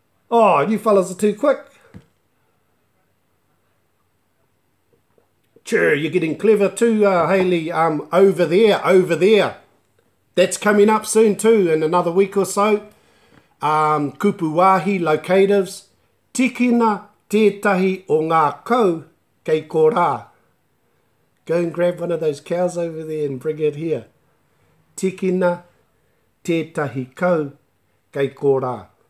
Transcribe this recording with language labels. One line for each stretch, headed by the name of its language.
English: Oh, you fellas are too quick. Sure, you're getting clever too, Hayley, over there. That's coming up soon too, in another week or so.
Māori: Kupu wāhi, locatives. Tikina tētahi o ngā kau kei kōrā.
English: Go and grab one of those cows over there and bring it here.
Māori: Tikina tētahi kau kei kōrā.